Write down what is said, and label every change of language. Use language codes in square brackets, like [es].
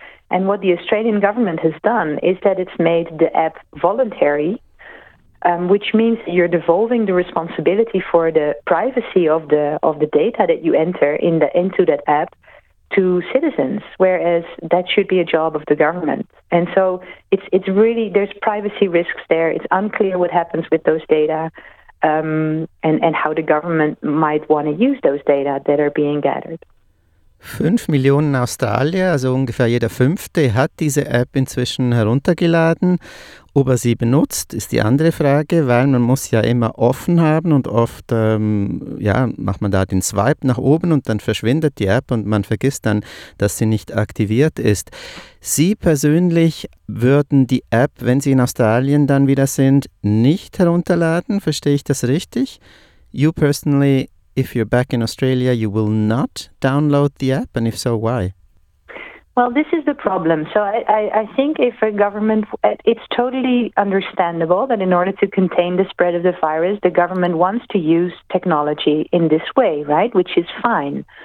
[en] And what the Australian government has done is that it's made the app voluntary, which means you're devolving the responsibility for the privacy of the data that you enter into that app to citizens, whereas that should be a job of the government. And so it's really, there's privacy risks there. It's unclear what happens with those data and how the government might want to use those data that are being gathered. [de] 5 Millionen Australier, also ungefähr jeder Fünfte, hat diese App inzwischen heruntergeladen. Ob er sie benutzt, ist die andere Frage, weil man muss ja immer offen haben und oft macht man da den Swipe nach oben und dann verschwindet die App und man vergisst dann, dass sie nicht aktiviert ist. Sie persönlich würden die App, wenn Sie in Australien dann wieder sind, nicht herunterladen, verstehe ich das richtig? [en] You personally, if you're back in Australia, you will not download the app, and if so, why? Well, this is the problem. So I think if a government, it's totally understandable that in order to contain the spread of the virus, the government wants to use technology in this way, right? Which is fine.